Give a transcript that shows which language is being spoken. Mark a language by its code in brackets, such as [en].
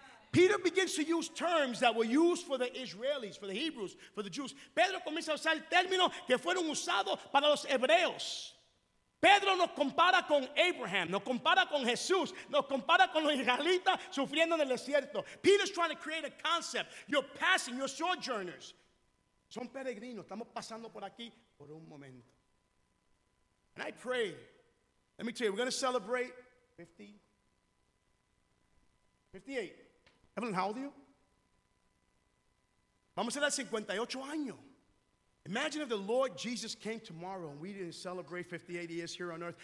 [en] Peter begins to use terms that were used for the Israelis, for the Hebrews, for the Jews. [es] Pedro comienza a usar términos que fueron usados para los hebreos. Pedro nos compara con Abraham, nos compara con Jesús, nos compara con los israelitas sufriendo en el desierto. [en] Peter's trying to create a concept. You're passing, you're sojourners. [es] Son peregrinos, estamos pasando por aquí por un momento. [en] And I pray, let me tell you, we're going to celebrate 58. Evelyn, how old are you? [es] Vamos a dar 58 años. [en] Imagine if the Lord Jesus came tomorrow and we didn't celebrate 58 years here on earth.